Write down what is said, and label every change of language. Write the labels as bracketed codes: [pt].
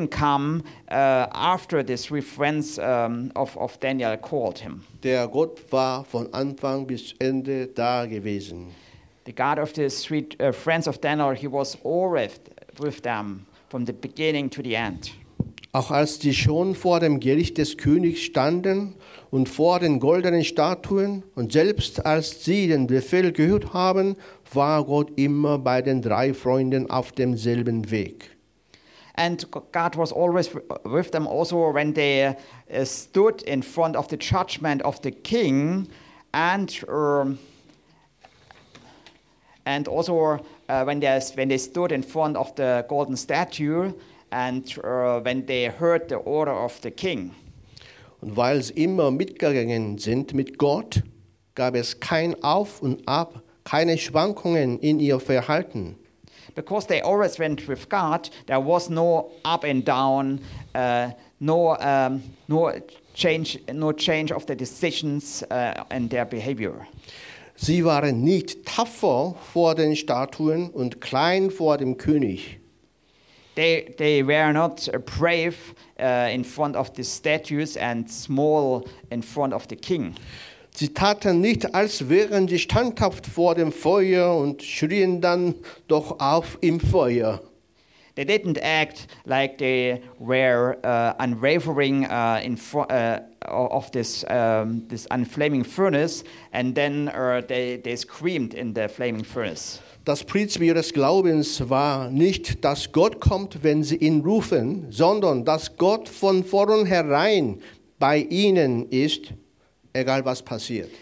[en] He didn't come after the three friends of Daniel called him. [de] Der Gott war von Anfang bis Ende da gewesen. [en] The God of the three friends of Daniel, he was always with them from the beginning to the end. [de] Auch als sie schon vor dem Gericht des Königs standen und vor den goldenen Statuen und selbst als sie den Befehl gehört haben, war Gott immer bei den drei Freunden auf demselben Weg. [en] And God was always with them also when they stood in front of the judgment of the king and also when they stood in front of the golden statue and when they heard the order of the king. [de] Und weil sie immer mitgegangen sind mit Gott, gab es kein Auf und Ab, keine Schwankungen in ihr Verhalten. [en] Because they always went with God, there was no up and down, no change of the decisions and their behavior. [de] Sie waren nicht tapfer vor den Statuen und klein vor dem König. [en] They were not brave in front of the statues and small in front of the king. [de] Sie taten nicht, als wären sie standhaft vor dem Feuer und schrien dann doch auf im Feuer. [en] They didn't act like they were unwavering in front of this unflaming furnace and then they screamed in the flaming furnace. [de] Das Prinzip ihres Glaubens war nicht, dass Gott kommt, wenn sie ihn rufen, sondern dass Gott von vornherein bei ihnen ist, egal was passiert.